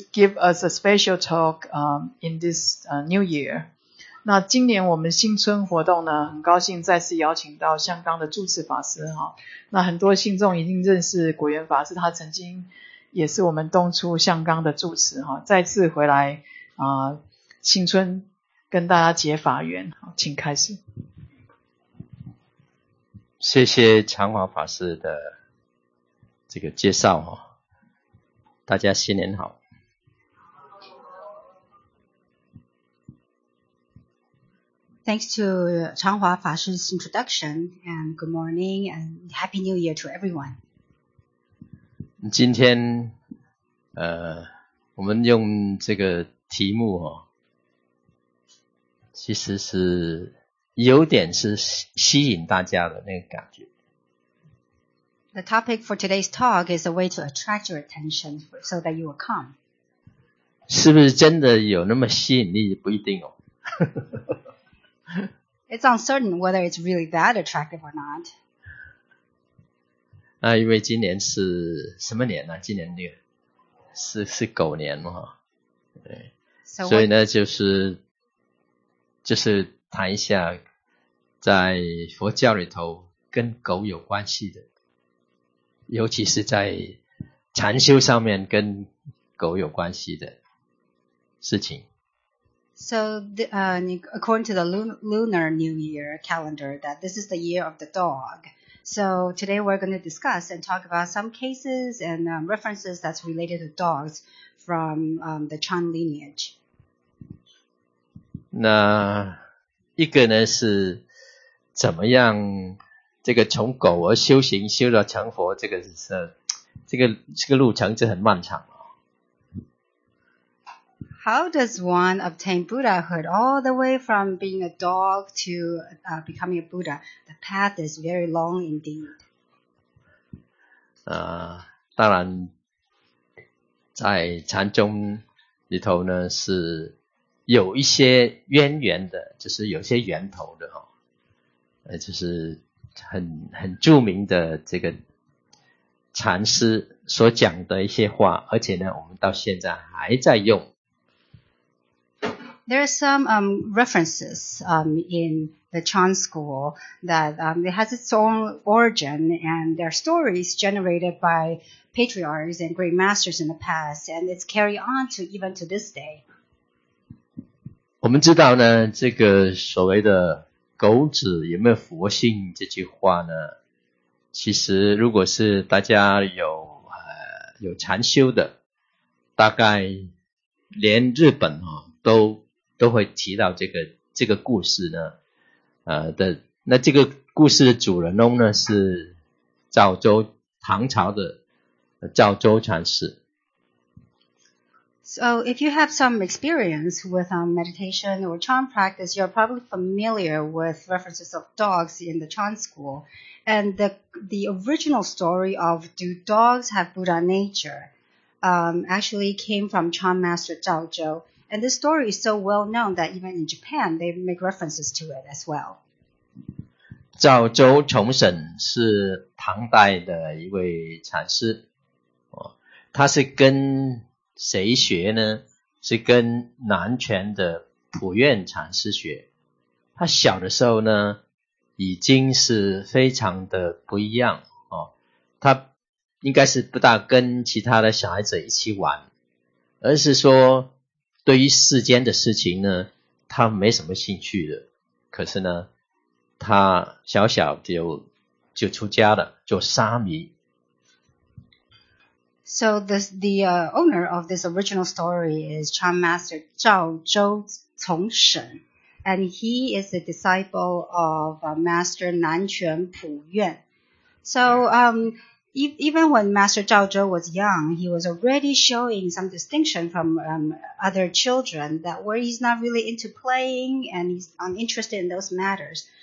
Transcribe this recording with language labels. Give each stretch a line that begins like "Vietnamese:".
English: give us a special talk in this new year.
Chinese: 那今年我们新春活动呢，很高兴再次邀请到香港的住持法师哈。那很多信众已经认识果缘法师，他曾经也是我们东初香港的住持哈，再次回来新春跟大家结法缘，请开始。谢谢长华法师的这个介绍哈，大家新年好。
English: Thanks to Changhua Fashion's introduction, and good morning and Happy New Year to everyone.
Chinese: 今天我们用这个题目其实是有点是吸引大家的那个感觉。
English: The topic for today's talk is a way to attract your attention so that you will come.
Chinese: 是不是真的有那么吸引力？不一定哦。
English: It's uncertain whether it's really that attractive or not.
Chinese: 那因为今年是什么年呢？今年六是狗年嘛，对。所以呢，就是谈一下在佛教里头跟狗有关系的，尤其是在禅修上面跟狗有关系的事情。
English: So, according to the Lunar New Year calendar, that this is the year of the dog. So, today we're going to discuss and talk about some cases and references that's related to dogs from the Chan lineage.
Chinese: 那一个呢是怎么样这个从狗而修行修到成佛，这个路程是很漫长。
English: How does one obtain Buddhahood all the way from being a dog to becoming a Buddha? The path is very long indeed.
Chinese: 当然在禅宗里头呢是有一些渊源的，就是有些源头的就是很著名的这个禅师所讲的一些话，而且呢我们到现在还在用。
English: There are some references in the Chan school that it has its own origin, and there are stories generated by patriarchs and great masters in the past, and it's carried on to even to this day.
Chinese: 我们知道呢，这个所谓的“狗子有没有佛性”这句话呢，其实如果是大家有禅修的，大概连日本都会提到这个故事呢，那这个故事的主人翁呢是赵州唐朝的赵州禅师。
English: So if you have some experience with meditation or Chan practice, you're probably familiar with references of dogs in the Chan school, and the original story of Do Dogs Have Buddha Nature, actually came from Chan Master Zhao Zhou. And this story is so well known that even in Japan, they make references to it as well.
Chinese: 赵州崇神是唐代的一位禅师，他是跟谁学呢？是跟南泉的普愿禅师学。他小的时候呢，已经是非常的不一样，他应该是不大跟其他的小孩子一起玩，而是说对于世间的事情呢，他没什么兴趣的。可是呢，他小小就出家了，做沙弥。
English: So the owner of this original story is Chan Master Zhao Zhou Chongshen, and he is a disciple of Master Nanquan Pu Yuan. So even when Master Zhao Zhou was young, he was already showing some distinction from other children, that where he's not really into playing and he's uninterested in those matters.